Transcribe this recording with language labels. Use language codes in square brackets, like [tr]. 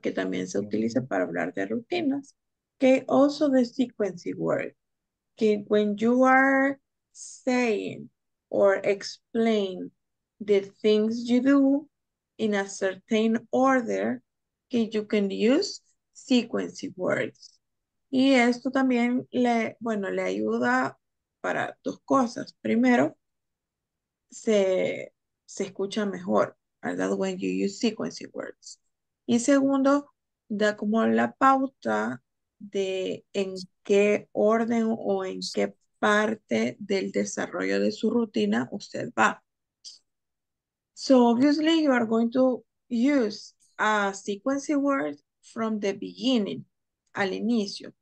[es] Que también se utiliza para hablar de rutinas. Que [en] also the sequence word. [es] Que [en] when you are saying or explain the things you do in a certain order, que you can use sequence words. [es] Y esto también le, bueno, le ayuda para dos cosas. Primero, se escucha mejor, ¿verdad? [en] When you use sequence words. [es] Y segundo, da como la pauta de en qué orden o en qué parte del desarrollo de su rutina usted va. [en] So obviously you are going to use a sequence word from the beginning, [es] al inicio.